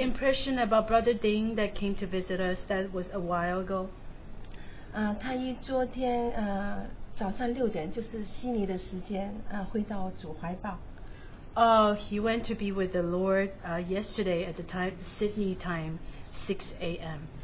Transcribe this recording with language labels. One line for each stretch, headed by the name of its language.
English: impression about Brother Ding that came to visit us that was a while ago?
Chinese: 他一昨天 早上6点 就是悉尼的时间 回到主怀抱。
English: Oh, he went to be with the Lord yesterday at the time Sydney time 6 a.m.